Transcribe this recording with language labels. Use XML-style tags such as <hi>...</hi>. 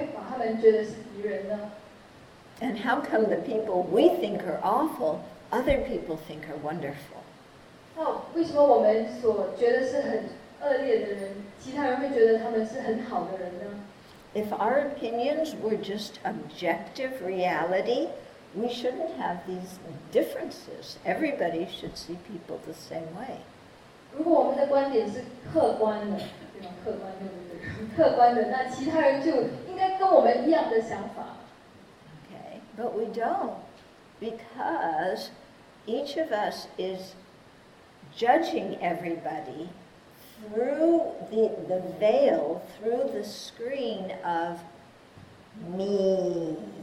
<zh>但是如果我们的观点，如果真的是实际和主观的，那我们为什么我们喜欢的人，其他人看起来会把他们觉得是敌人呢？</zh> <en>And how come the people we think are awful, other people think are wonderful?</en> <zh>那为什么我们所觉得是很恶劣的人，其他人会觉得他们是很好的人呢？</zh> <en>If our opinions were just objective reality, we shouldn't have these differences. Everybody should see people the same way.</en> <zh>如果我们的观点是客观的，对吗？客观的，那其他人就应该跟我们一样的想法。</zh> <en>Okay, but we don't, because each of us is judging everybody through the veil, through the screen of me.</en>